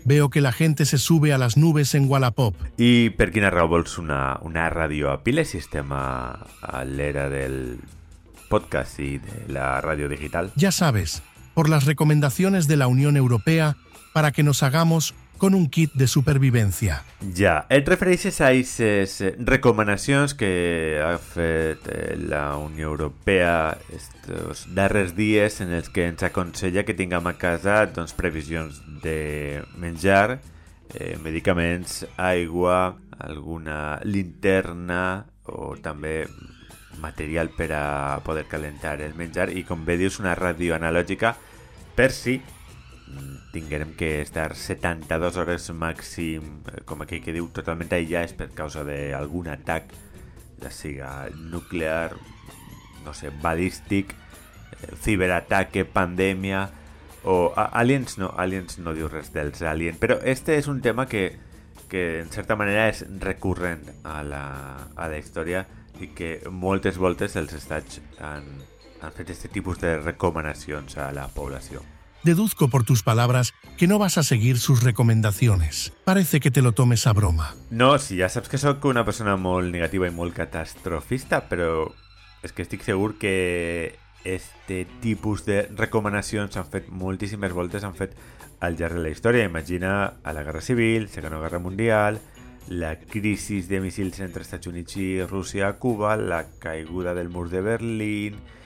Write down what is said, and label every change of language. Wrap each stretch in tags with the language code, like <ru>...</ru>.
<es>Veo que la gente se sube a las nubes en Wallapop.</es> <ca>I per quina raó vols una ràdio a piles si estem a l'era del podcast i de la ràdio digital?</ca> <es>Ya sabes, por las recomendaciones de la Unión Europea para que nos hagamos con un kit de supervivència.</es> <ca>Ja, et refereixes a aquestes recomanacions que ha fet la Unió Europea aquests darrers dies, en els que ens aconsella que tinguem a casa doncs, previsions de menjar, medicaments, aigua, alguna linterna o també material per a poder calentar el menjar i, com bé dius, una ràdio analògica per si tinguérem que estar 72 hores màxim, com aquell que diu, totalment aïllats per causa d'algun atac, ja siga nuclear, no sé, balístic, ciberatac, pandèmia, o aliens no diu res dels aliens, però este és un tema que en certa manera és recurrent a la història i que moltes voltes els estats han fet este tipus de recomanacions a la població.</ca> <es>Deduzco por tus palabras que no vas a seguir sus recomendaciones. Parece que te lo tomes a broma.</es> <ca>No, sí, ja saps que sóc una persona molt negativa i molt catastrofista, però és que estic segur que este tipus de recomanacions han fet moltíssimes voltes, han fet al llarg de la història. Imagina a la Guerra Civil, Segona Guerra Mundial, la crisi de missils entre Estats Units i Rússia a Cuba, la caiguda del mur de Berlín...</ca>